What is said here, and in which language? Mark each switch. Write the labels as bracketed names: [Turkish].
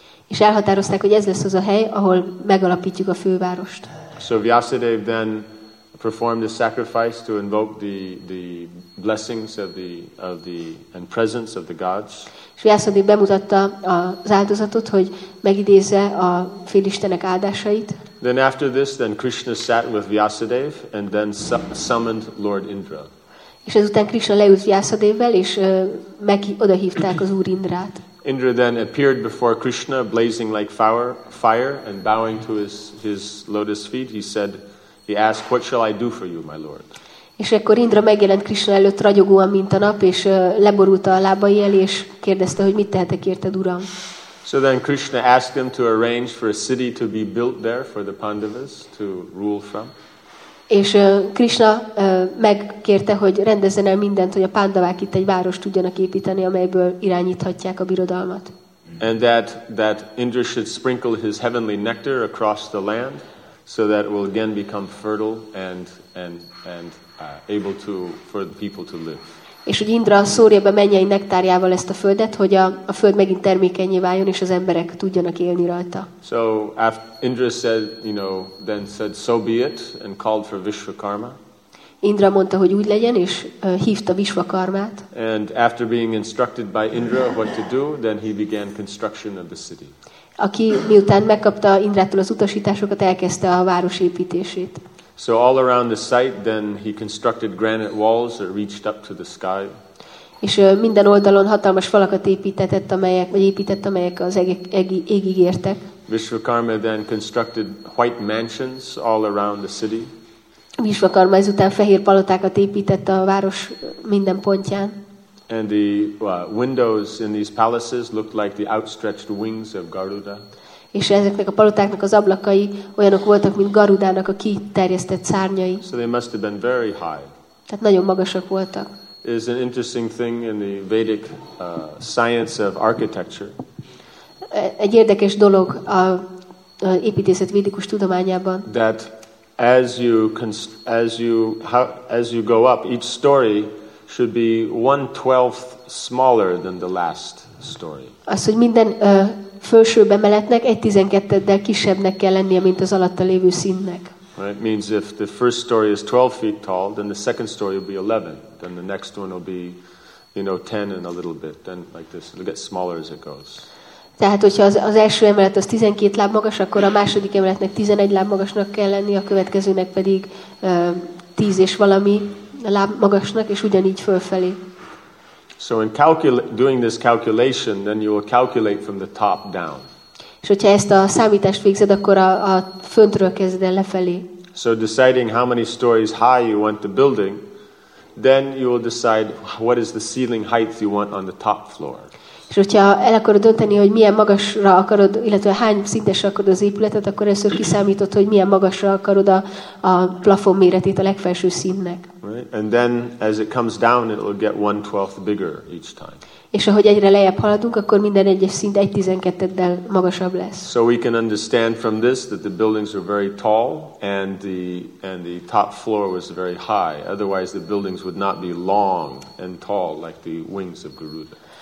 [Hungarian] És elhatározták, hogy ez lesz az a hely, ahol megalapítjuk a fővárost. [English] So Vyasadeva then performed a sacrifice to invoke the blessings of the and presence of the gods. [Hungarian] És Vyasadeva bemutatta az áldozatot, hogy megidézze a félistenek áldásait. [English] Then after this, then Krishna sat with Vyasadeva and then summoned Lord Indra. [Hungarian] És ezután Krishna leült Vyasadevvel, és odahívták az Úr Indrát. [English] Indra then appeared before Krishna, blazing like fire, and bowing to his lotus feet, he asked, "What shall I do for you, my lord?" [Hungarian] És ekkor Indra megjelent Krishna előtt ragyogóan, mint a nap, és leborult a lábai elé, és kérdezte, hogy mit tehetek érted, uram? [English] So then Krishna asked him to arrange for a city to be built there for the Pandavas to rule from. [Hungarian] És Krishna megkérte, hogy rendezzen el mindent, hogy a pándavák itt egy várost tudjanak építeni, amelyből irányíthatják a birodalmat. [English] And that Indra should sprinkle his heavenly nectar across the land, so that it will again become fertile and able to for the people to live. [Hungarian] És hogy Indra szórja be mennyei nektárjával ezt a földet, hogy a föld megint termékenyé váljon, és az emberek tudjanak élni rajta. [English] So Indra said, then said, "So be it," and called for Vishvakarma. [Hungarian] Indra mondta, hogy úgy legyen, és hívta Vishvakarmát. [English] And after being instructed by Indra what to do, then he began construction of the city. [Hungarian] Aki miután megkapta Indrától az utasításokat, elkezdte a város építését. [English] So all around the site, then he constructed granite walls that reached up to the sky. [Hungarian] És minden oldalon hatalmas falakat építetett, amelyek az égig értek. [English] Vishvakarma then constructed white mansions all around the city. [Hungarian] Vishvakarma ezután fehér palotákat épített a város minden pontján. [English] And the windows in these palaces looked like the outstretched wings of Garuda. [Hungarian] És ezeknek a palotáknak az ablakai olyanok voltak, mint Garudának a kiterjesztett szárnyai. [English] So they must have been very high. [Hungarian] Tehát nagyon magasak voltak. [English] is an interesting thing in the Vedic science of architecture. [Hungarian] Egy érdekes dolog a építészet védikus tudományában. [English] That as you go up, each story should be 1/12 smaller than the last story. [Hungarian] Az, hogy minden felső emeletnek 1/12-del kisebbnek kell lennie, mint az alatta lévő szintnek. [English] Right, means if the first story is 12 feet tall, then the second story will be 11, then the next one will be, you know, 10 and a little bit, then like this, it'll get smaller as it goes. [Hungarian] Tehát, hogyha az első emelet az 12 láb magas, akkor a második emeletnek 11 láb magasnak kell lenni, a következőnek pedig 10 és valami láb magasnak, és ugyanígy fölfelé. [English] So in doing this calculation, then you will calculate from the top down. [Hungarian] És hogyha ezt a számítást végzed, akkor a föntről kezded el lefelé. [English] So deciding how many stories high you want the building, then you will decide what is the ceiling height you want on the top floor. [Hungarian] És hogyha el akarod dönteni, hogy milyen magasra akarod, illetve hány szintesre akarod az épületet, akkor először kiszámítod, hogy milyen magasra akarod a plafon méretét a legfelső szintnek. [English] Right. And then as it comes down, it will get 1/12 bigger each time. [Hungarian] És ahogy egyre lejjebb haladunk, akkor minden egyes szint 1/12-del magasabb lesz. [English] So we can understand from this that the buildings were very tall and the top floor was very high. Otherwise the buildings would not be long and tall like the wings of Garuda.